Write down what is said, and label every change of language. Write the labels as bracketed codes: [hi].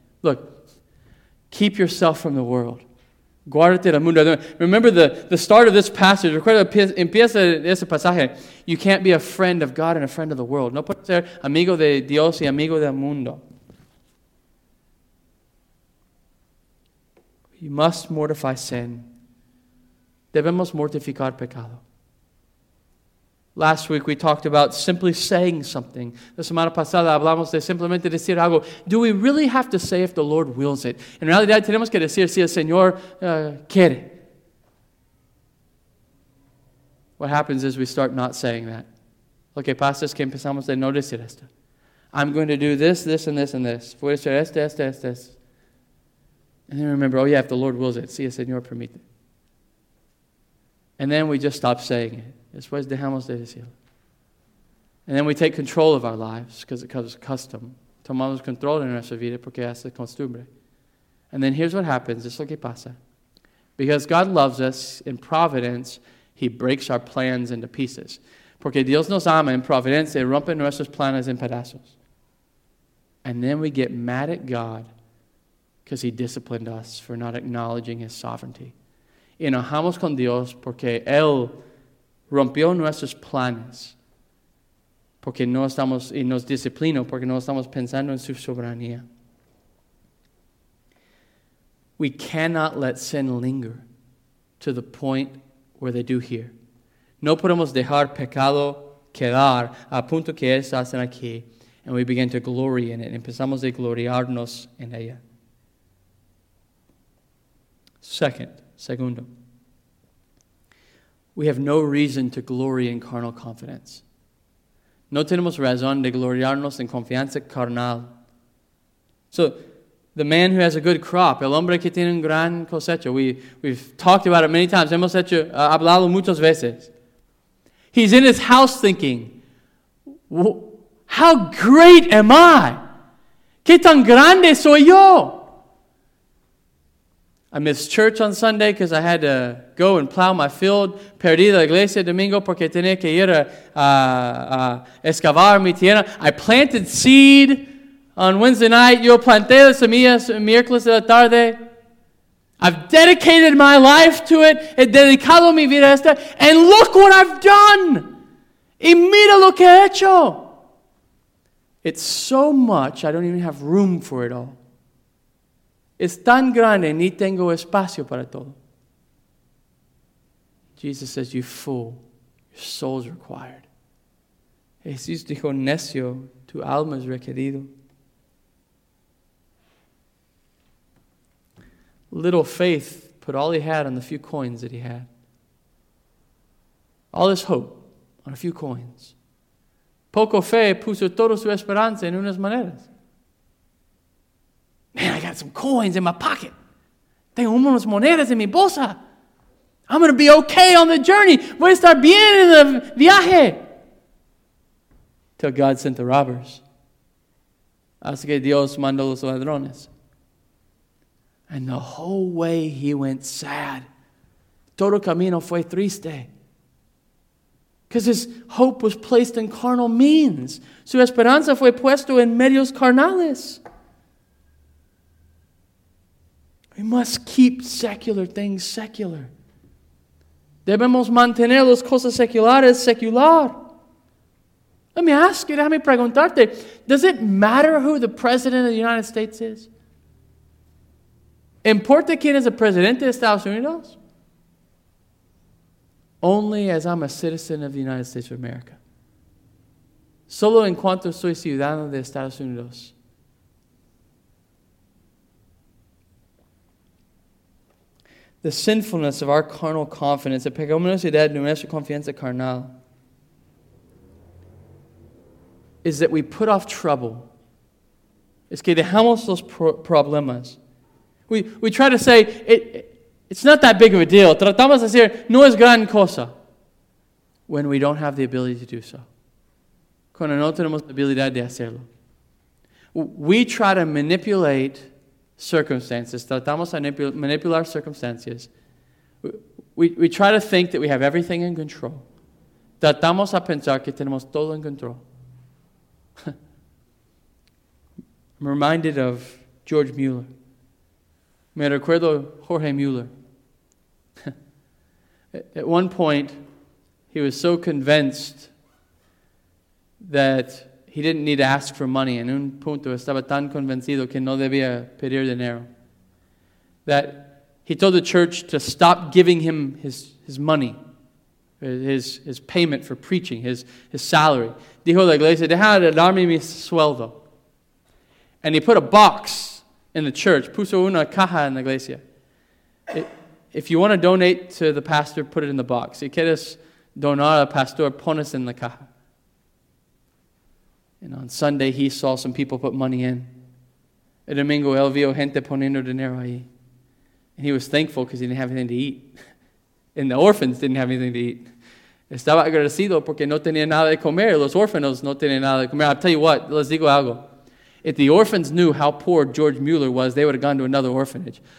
[en] Look, keep yourself from the world. [es] Guárdate del mundo. [en] Remember the start of this passage. [es] Recuerda, empieza ese pasaje. [en] You can't be a friend of God and a friend of the world. [es] No puedes ser amigo de Dios y amigo del mundo. [en] You must mortify sin. [es] Debemos mortificar pecado. [en] Last week we talked about simply saying something. [es] La semana pasada hablamos de simplemente decir algo. [en] Do we really have to say if the Lord wills it? [es] En realidad tenemos que decir si el Señor quiere. [en] What happens is we start not saying that. [es] Lo que pasa es que empezamos de no decir esto. [en] I'm going to do this, this, and this, and this. [es] Voy a hacer esto, esto, esto, esto. [en] And then remember, oh yeah, if the Lord wills it, [es] si el Señor permite. [en] And then we just stop saying it. [es] Después dejamos de decirlo. [en] And then we take control of our lives because it comes custom. [es] Tomamos control en nuestra vida porque es costumbre. [en] And then here's what happens. [es] Es lo que pasa. [en] Because God loves us, in providence, he breaks our plans into pieces. [es] Porque Dios nos ama, en providencia, rompe nuestros planes en pedazos. [en] And then we get mad at God because he disciplined us for not acknowledging his sovereignty. [es] Y enojamos con Dios porque Él rompió nuestros planes porque no estamos, y nos disciplinó porque no estamos pensando en su soberanía. [en] We cannot let sin linger to the point where they do here. [es] No podemos dejar pecado quedar a punto que ellos hacen aquí, [en] and we begin to glory in it. [es] Empezamos a gloriarnos en ella. Segundo. [en] We have no reason to glory in carnal confidence. [es] No tenemos razón de gloriarnos en confianza carnal. [en] So, the man who has a good crop, [es] el hombre que tiene un gran cosecha, [en] we've talked about it many times, [es] hemos hecho, hablado muchas veces. [en] He's in his house thinking, how great am I? [es] ¿Qué tan grande soy yo? [en] I missed church on Sunday because I had to go and plow my field. [es] Perdí la iglesia el domingo porque tenía que ir a excavar mi tierra. [en] I planted seed on Wednesday night. [es] Yo planté las semillas miércoles de la tarde. [en] I've dedicated my life to it. [es] He dedicado mi vida a esta. [en] And look what I've done. [es] Y mira lo que he hecho. [en] It's so much, I don't even have room for it all. [es] Es tan grande, ni tengo espacio para todo. [en] Jesus says, you fool, your soul is required. [es] Jesús dijo, necio, tu alma es requerido. [en] Little faith put all he had on the few coins that he had. All his hope on a few coins. [es] Poco fe puso toda su esperanza en unas monedas. [en] Man, I got some coins in my pocket. [es] Tengo unas monedas en mi bolsa. [en] I'm going to be okay on the journey. [es] Voy a estar bien en el viaje. [en] Till God sent the robbers. [es] Así que Dios mandó los ladrones. [en] And the whole way he went sad. [es] Todo camino fue triste. [en] Because his hope was placed in carnal means. [es] Su esperanza fue puesto en medios carnales. [en] We must keep secular things secular. [es] Debemos mantener las cosas seculares secular. [en] Let me ask you, [es] déjame preguntarte, [en] does it matter who the president of the United States is? [es] ¿Importa quién es el presidente de Estados Unidos? [en] Only as I'm a citizen of the United States of America. [es] Solo en cuanto soy ciudadano de Estados Unidos. [en] The sinfulness of our carnal confidence, the [es] pecaminosidad de nuestra confianza carnal, [en] is that we put off trouble [es] es que dejamos los problemas. [en] We try to say, it's not that big of a deal. [es] Tratamos de decir, no es gran cosa. [en] When we don't have the ability to do so. [es] Cuando no tenemos la habilidad de hacerlo. [en] We try to manipulate circumstances. [es] Tratamos de manipular circunstancias. [en] We try to think that we have everything in control. [es] Tratamos de pensar que tenemos todo en control. [en] I'm reminded of George Mueller. [es] Me recuerdo Jorge Mueller. [en] At one point, he was so convinced that he didn't need to ask for money. [es] En un punto estaba tan convencido que no debía pedir dinero. [en] That he told the church to stop giving him his money, his payment for preaching, his salary. [es] Dijo la iglesia, deja de darme mi sueldo. [en] And he put a box in the church. [es] Puso una caja en la iglesia. [en] If you want to donate to the pastor, put it in the box. [es] Si quieres donar al pastor, pones en la caja. [en] And on Sunday, he saw some people put money in. [es] El domingo, él vio gente poniendo dinero ahí. [en] And he was thankful because he didn't have anything to eat. And the orphans didn't have anything to eat. [es] Estaba agradecido porque no tenía nada de comer. Los órfanos no tenían nada de comer. [en] I'll tell you what, [es] les digo algo. [en] If the orphans knew how poor George Mueller was, they would have gone to another orphanage.